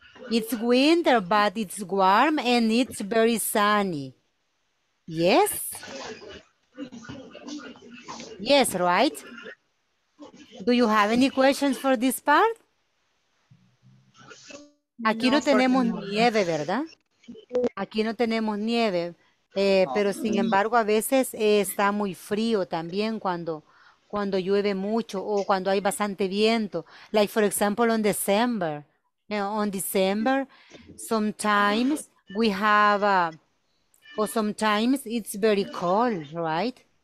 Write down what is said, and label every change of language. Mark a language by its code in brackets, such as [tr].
[en] It's winter, but it's warm and it's very sunny. Yes? Yes, right? Do you have any questions for this part? [es] Aquí no tenemos nieve, ¿verdad? Aquí no tenemos nieve, pero sin embargo a veces está muy frío también cuando llueve mucho o cuando hay bastante viento. [en] Like for example on December, you know, on December sometimes we have a, or sometimes it's very cold, right?